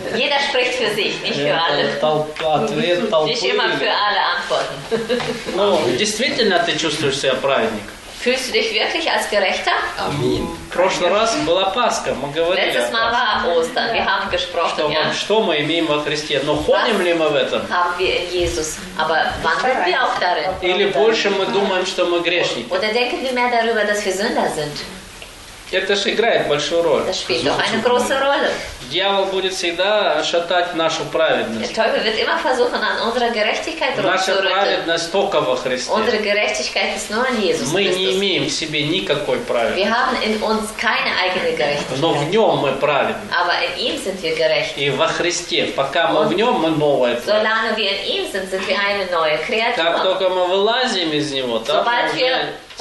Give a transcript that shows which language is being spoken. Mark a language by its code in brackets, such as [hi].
[de] Jeder spricht für sich, nicht für alle. [ru] Ответ толпы. [de] Nicht immer für alle antworten. [ru] Ну, действительно ты чувствуешь себя праведником? [de] Fühlst du dich wirklich als gerechter? Amen. [ru] Прошлый раз была Пасха, мы говорили. [de] Letztes Mal war Ostern, wir haben gesprochen, [ru] что, [de] ja. [ru] Что мы имеем во Христе? Но ходим ли мы в этом? [de] Haben wir in Jesus. Aber wandeln wir auch darin? [ru] Или больше мы думаем, что мы грешники? [de] Oder denken wir mehr darüber, dass wir Sünder sind? [ru] Это же играет большую роль. [de] Das spielt doch eine große Rolle. [ru] Дьявол будет всегда шатать нашу праведность. [de] Der Teufel wird immer versuchen, an unserer Gerechtigkeit rumzurütteln. [ru] Наша праведность только во Христе. [de] Unsere Gerechtigkeit ist nur in Jesus Christus. [ru] Мы не имеем в себе никакой праведности. [de] Wir haben in uns keine eigene Gerechtigkeit. [ru] Но в нем мы праведны. [de] Aber in ihm sind wir gerecht. [ru] И во Христе, пока мы в нем, мы новые. [de] Solange wir in ihm sind, sind wir eine neue Kreatur. [ru] Как только мы вылазим из него, то уже